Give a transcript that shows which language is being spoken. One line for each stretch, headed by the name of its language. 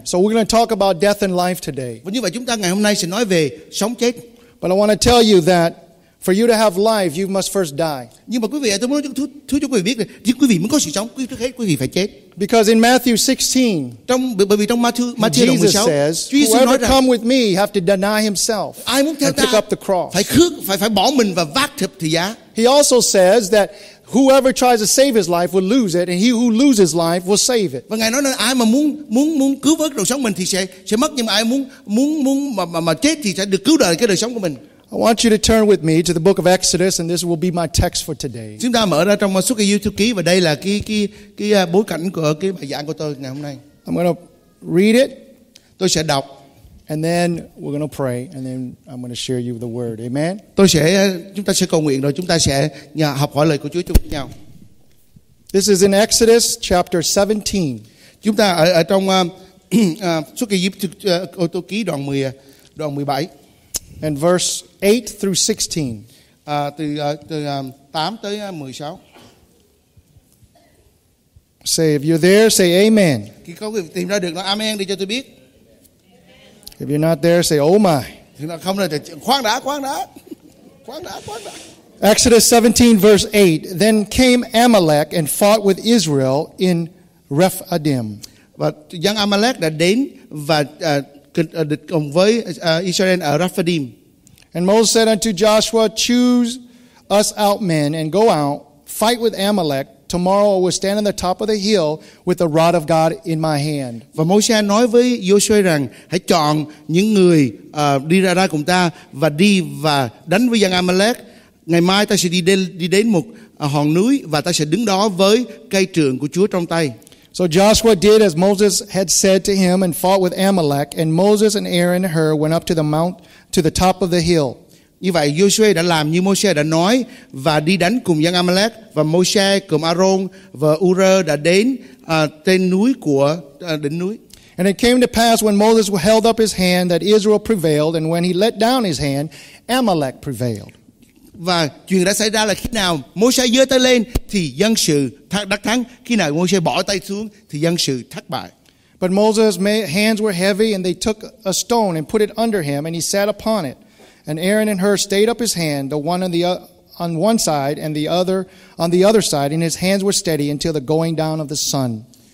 English: So we're going to talk about death and life today.
Vietnamese: Và như vậy chúng ta ngày hôm nay sẽ nói về sống chết.
English: But I want to tell you that for you to have life, you must first die.
Vietnamese: Nhưng mà quý vị, tôi muốn thú cho quý vị biết là chỉ quý vị mới có sự sống, trước hết quý vị phải chết.
English: Because in Matthew 16,
Vietnamese: bởi vì trong Matthew
English: 16, Jesus says, whoever come with me have to deny himself and pick up the cross.
Vietnamese: Phải bỏ mình và vác thập tự giá.
English: He also says that whoever tries to save his life will lose it, and he who loses life will save it.
Vietnamese: Và Ngài nói là ai mà muốn cứu vớt đời sống mình thì sẽ mất, nhưng mà ai muốn mà chết thì sẽ được cứu đời cái đời sống của mình.
English: I want you to turn with me to the book of Exodus, and this will be my text for today.
Vietnamese: Chúng ta mở ra trong Suốt Kỳ Du Ký, và đây là cái bối cảnh của cái bài giảng của tôi ngày hôm nay.
English: I'm going to read it.
Vietnamese: Tôi sẽ đọc.
English: And then we're going to pray, and then I'm going to share you the word. Amen.
Vietnamese: Chúng ta sẽ cầu nguyện rồi chúng ta sẽ học hỏi lời của Chúa chung với nhau.
English: This is in Exodus chapter 17.
Vietnamese: Chúng ta ở trong Suốt Kỳ Du Ký đoạn 10, đoạn 17.
English: And verse 8 through 16.
Vietnamese: Từ 8 tới 16.
English: Say, if you're there, say amen.
Vietnamese: Khi có người tìm ra được, nói amen đi cho tôi biết.
English: If you're not there, say oh my.
Vietnamese: Khoan đã, khoan đã. Khoan đã, khoan đã.
English: Exodus 17, verse 8. Then came Amalek and fought with Israel in Rephidim.
Vietnamese: Và dân Amalek đã đến và cùng với Israel ở Rephidim.
English: And Moses said unto Joshua, choose us out men and go out, fight with Amalek. Tomorrow I will stand on the top of the hill with the rod of God in my hand.
Vietnamese: Và Môi-se nói với Joshua rằng hãy chọn những người đi ra cùng ta và đi và đánh với dân Amalek. Ngày mai ta sẽ đi đến một hòn núi và ta sẽ đứng đó với cây trượng của Chúa trong tay.
English: So Joshua did as Moses had said to him and fought with Amalek, and Moses and Aaron and Hur went up to the mount to the top of the hill.
Vietnamese: Như vậy Joshua đã làm như Môi-se đã nói và đi đánh cùng dân Amalek, và Môi-se cùng Aaron và Ur đã đến trên núi của đỉnh núi.
English: And it came to pass when Moses held up his hand that Israel prevailed, and when he let down his hand Amalek prevailed.
Vietnamese: Và chuyện đã xảy ra là khi nào Môi-se giơ tay lên thì dân sự đắc thắng, khi nào Môi-se bỏ tay xuống thì dân sự thất bại.
English: But Moses' hands were heavy, and they took a stone and put it under him, and he sat upon it. And Aaron and Hur stayed up his hand, the one on the on one side and the other on the other side, and his hands were steady until the going down of the sun.